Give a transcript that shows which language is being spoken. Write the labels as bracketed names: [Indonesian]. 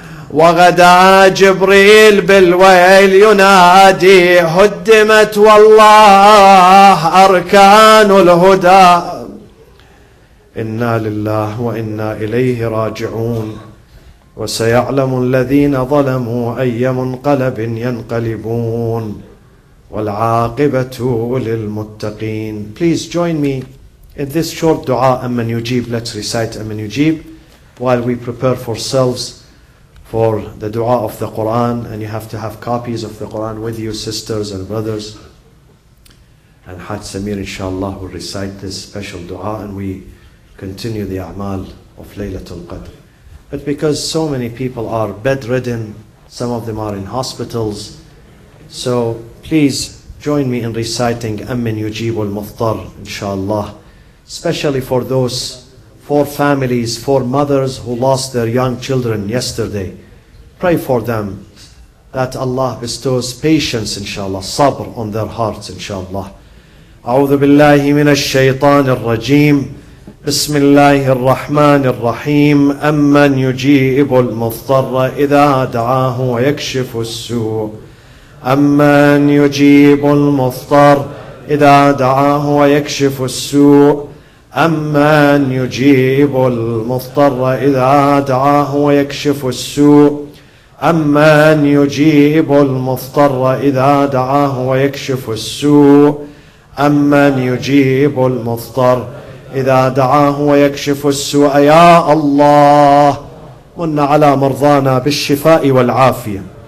[Arabic] وغدا جبريل بالويل ينادي هدمت والله أركان الهدى إنا لله وإنا إليه راجعون وسيعلم الذين ظلموا أي منقلب ينقلبون والعاقبة للمتقين. [English] Please join me in this short dua, Amman Yujib. Let's recite Amman Yujib while we prepare for ourselves for the dua of the Quran, and you have to have copies of the Quran with you, sisters and brothers. And Haj Samir, inshallah, will recite this special dua, and we continue the a'mal of Laylatul Qadr. But because so many people are bedridden, some of them are in hospitals, so please join me in reciting Amman Yujibul Muftar, inshallah, especially for those for families, for mothers who lost their young children yesterday. Pray for them that Allah bestows patience, inshallah, sabr on their hearts, inshallah. [Arabic] أعوذ بالله من الشيطان الرجيم بسم الله الرحمن الرحيم أمن يجيب المضطر إذا دعاه ويكشف السوء أمن يجيب المضطر إذا دعاه ويكشف السوء أمن يجيب المضطر إذا دعاه ويكشف السوء أمن يجيب المضطر إذا دعاه ويكشف السوء أمن يجيب المضطر إذا دعاه ويكشف السوء يا الله من على مرضانا بالشفاء والعافية